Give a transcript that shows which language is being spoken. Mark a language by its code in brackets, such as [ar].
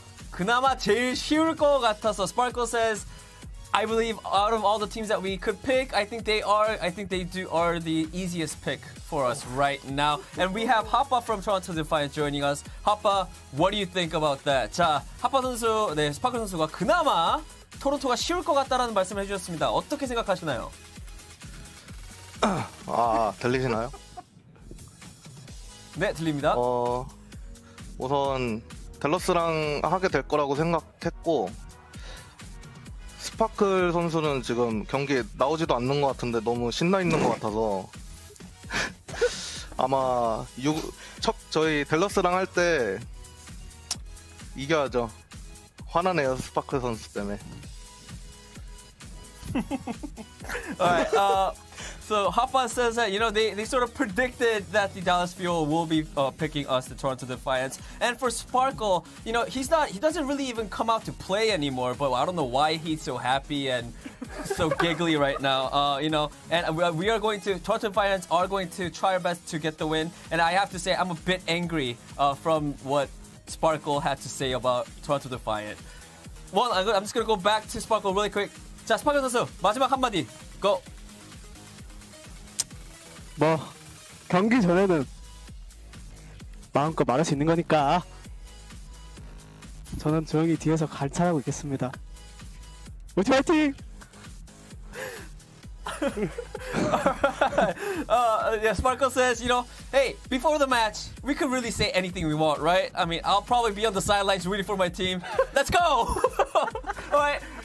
[ko] 그나마 제일 쉬울 것 같아서. [en] Sparkle says, I believe out of all the teams that we could pick, I think they are the easiest pick for us right now. And we have Hoppa from Toronto Defiant joining us. Hoppa, what do you think about that? [ko] 자, Hoppa 선수, 네, Sparkle 선수가 그나마 토론토가 쉬울 것 같다라는 말씀을 해주셨습니다. 어떻게 생각하시나요? 아, 들리시나요? 네, 들립니다. 우선 댈러스랑 하게 될 거라고 생각했고, 스파클 선수는 지금 경기 나오지도 않는 것 같은데 너무 신나 있는 것 같아서 아마 저희 댈러스랑 할 때 이겨야죠. 화나네요, 스파클 선수 때문에. [en] All right, So Hoppa says that, you know, they sort of predicted that the Dallas Fuel will be picking us, the Toronto Defiant. And for Sparkle, you know, he doesn't really even come out to play anymore, but I don't know why he's so happy and so giggly right now, you know. And we are going to, Toronto Defiant are going to try our best to get the win. And I have to say, I'm a bit angry from what Sparkle had to say about Toronto Defiant. Well, I'm just going to go back to Sparkle really quick. [ko] 자, Sparkle 선수, 마지막 한마디, go! 뭐 경기 전에는 마음껏 말할 수 있는 거니까 저는 조용히 뒤에서 관찰하고 있겠습니다. 우리 파이팅! [en] yeah, Sparkle says, you know, hey, before the match, we could really say anything we want, right? I mean, I'll probably be on the sidelines waiting for my team. Let's go! All right.